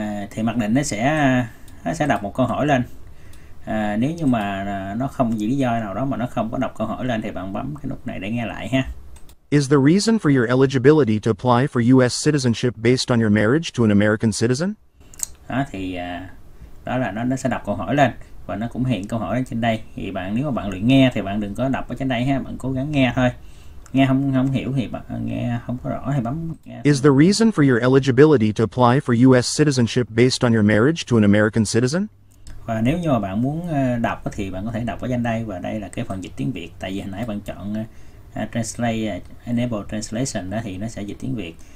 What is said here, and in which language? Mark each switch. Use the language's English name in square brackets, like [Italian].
[Vietnamese] Thì mặc định nó sẽ đọc một câu hỏi lên. Nếu như mà nó không vì lý do nào đó mà nó không có đọc câu hỏi lên thì bạn bấm cái nút này để nghe lại ha. [English] Is the reason for your eligibility to apply for U.S. citizenship based on your marriage to an American citizen? [Vietnamese] Đó thì đó là nó sẽ đọc câu hỏi lên và nó cũng hiện câu hỏi lên trên đây. Thì bạn nếu mà bạn luyện nghe thì bạn đừng có đọc ở trên đây ha, bạn cố gắng nghe thôi. Nghe không không hiểu thì bạn nghe không có rõ thì bấm nghe [English] Is the reason for your eligibility to apply for U.S. citizenship based on your marriage to an American citizen? [Vietnamese] và nếu như mà bạn muốn đọc thì bạn có thể đọc ở trên đây, và đây là cái phần dịch tiếng Việt, tại vì hồi nãy bạn chọn Translate, Enable Translation đó thì nó sẽ dịch tiếng Việt.